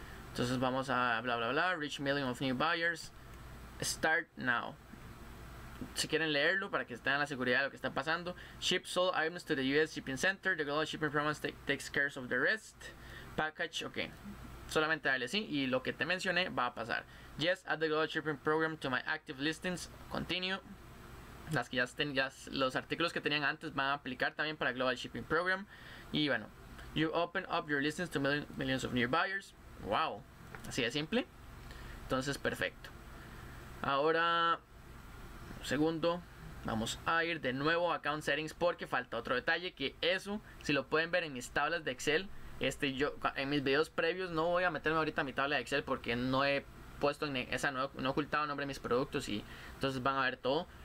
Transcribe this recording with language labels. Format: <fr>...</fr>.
<es>Entonces vamos a bla bla bla,</es> <en>reach million of new buyers, start now.</en> <es>Si quieren leerlo para que estén en la seguridad de lo que está pasando.</es> <en>Ship sold items to the US Shipping Center, the Global Shipping Program takes care of the rest. Package, ok.</en> <es>Solamente darle sí y lo que te mencioné va a pasar.</es> <en>Yes, add the Global Shipping Program to my active listings, continue.</en> <es>Las que ya estén, ya los artículos que tenían antes van a aplicar también para Global Shipping Program. Y bueno,</es> <en>you open up your listings to millions of new buyers.</en> <es>Wow, así de simple. Entonces, perfecto. Ahora, un segundo, vamos a ir de nuevo a Account Settings porque falta otro detalle, que eso, si lo pueden ver en mis tablas de Excel, yo en mis videos previos, no voy a meterme ahorita a mi tabla de Excel porque no he puesto en esa, no he ocultado el nombre de mis productos y entonces van a ver todo.</es>